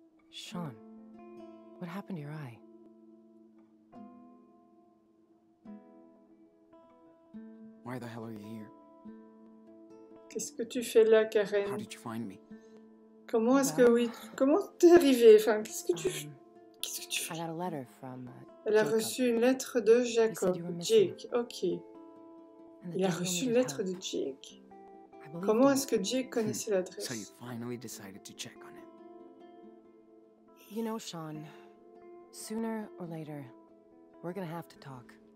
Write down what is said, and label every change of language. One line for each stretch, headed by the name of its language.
English: Sean, what happened to your eye? Why the hell are you here?
French: Qu'est-ce que tu fais là, Karen?
English: How did you find me?
French: Comment est-ce que oui, comment t'es arrivé? Enfin, qu'est-ce que tu fais?
English: I got a letter from
French: Elle a reçu une lettre de Jacob. Jake, OK. Il a reçu une lettre de Jake. Comment est-ce que Jake connaissait l'adresse?
English: So you finally decided to check. You know, Sean, sooner or later, we're gonna have to talk.